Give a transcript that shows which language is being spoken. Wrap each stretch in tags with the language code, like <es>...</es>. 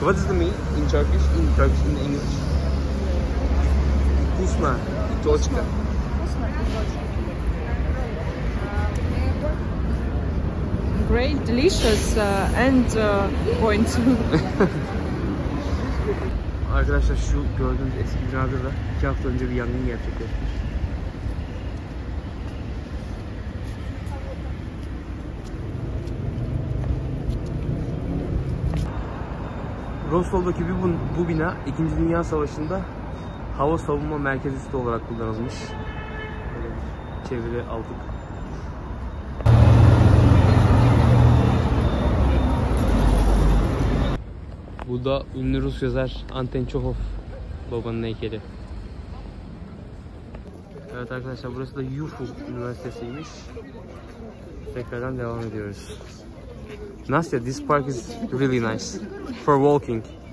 <en>What does it mean in Turkish? In Turkish, in English. Yugoslav Tachka. Great, delicious and point.</en> <tr>Arkadaşlar şu gördüğünüz eski binada da 2 hafta önce bir yangın gerçekleşmiş. Rostov'daki bu bina 2. Dünya Savaşı'nda hava savunma merkezi site olarak kullanılmış. Çeviri aldık. Bu da ünlü Rus yazar Anton Çehov, babanın heykeli. Evet arkadaşlar, burası da Yufu Üniversitesi'ymiş. Tekrardan devam ediyoruz.</tr> <en>Nastya, this park is really nice for walking.</en>